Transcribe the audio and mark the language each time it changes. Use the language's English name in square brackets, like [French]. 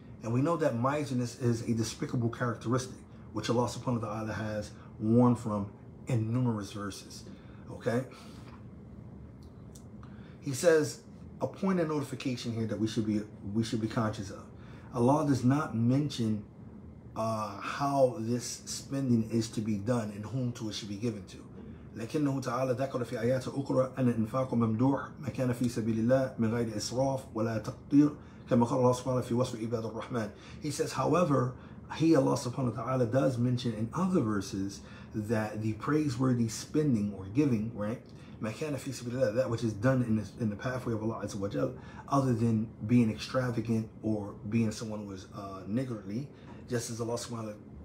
[English] And we know that miserness is a despicable characteristic, which Allah subhanahu wa ta'ala has warned from in numerous verses. Okay? He says, a point of notification here that we should be conscious of. Allah does not mention how this spending is to be done and whom to it should be given to. [Arabic] لكنه تعالى ذكر في آيات أخرى أن الإنفاق ممدوح ما كان في سبيل الله من غير إسراف ولا تقدير كما قال الله سبحانه في وصف عباد الرحمن. [English] He says, however, he, Allah subhanahu wa ta'ala, does mention in other verses that the praiseworthy spending or giving, right, [Arabic] ما كان في سبيل الله, [English] that which is done in the pathway of Allah عز وجل, other than being extravagant or being someone who is niggardly, just as Allah subhanahu wa ta'ala